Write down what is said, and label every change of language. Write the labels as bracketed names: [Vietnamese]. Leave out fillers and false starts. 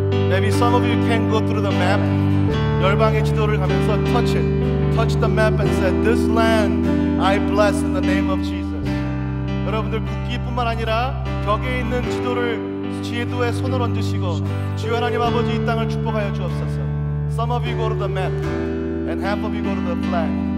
[English] Maybe some of you can go through the map. [Korean] 열방의 지도를 가면서 [English] touch it. Touch the map and say, this land I bless in the name of Jesus. [Korean] 여러분들 국기뿐만 아니라 벽에 있는 지도를 지도에 손을 얹으시고 주 하나님 아버지 이 땅을 축복하여 주옵소서. [English] Some of you go to the map and half of you go to the flag.